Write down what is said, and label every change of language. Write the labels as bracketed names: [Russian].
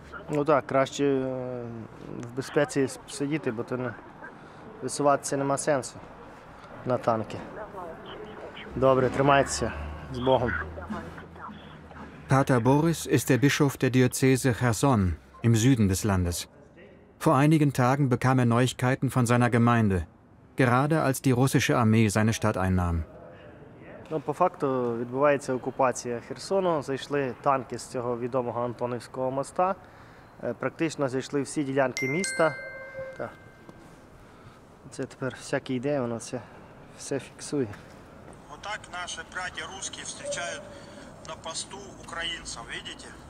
[Ukrainian] Ну так, краще в безпеці сидіти, бо то не висуватися нема сенсу на танки. Добре, тримайтеся. З Богом. [German] Pater Boris ist der Bischof der Diözese Cherson im Süden des Landes. Vor einigen Tagen bekam er Neuigkeiten von seiner Gemeinde, gerade als die russische Armee seine Stadt einnahm. [Ukrainian] Ну, по факту відбувається окупація Херсону, зайшли танки з цього відомого Антонівського моста. Практично зійшли всі ділянки міста. Так. Це тепер всяка ідея, воно все фіксує. Отак наші браті русські зустрічають на посту українців, видите?